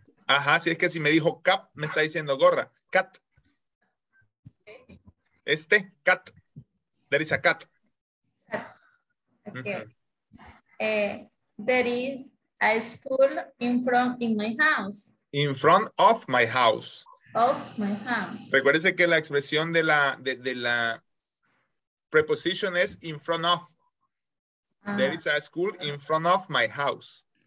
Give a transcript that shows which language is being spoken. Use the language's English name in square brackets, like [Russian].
[Spanish] Ajá, si es que si me dijo cat, me está diciendo gorra. Cat. Okay. Este, cat. [English] There is a cat. Okay. There is a school in front in my house. In front of my house. Of my house. [Spanish] Recuérdese que la expresión de la preposición es in front of. [English] There is a school in front of my house.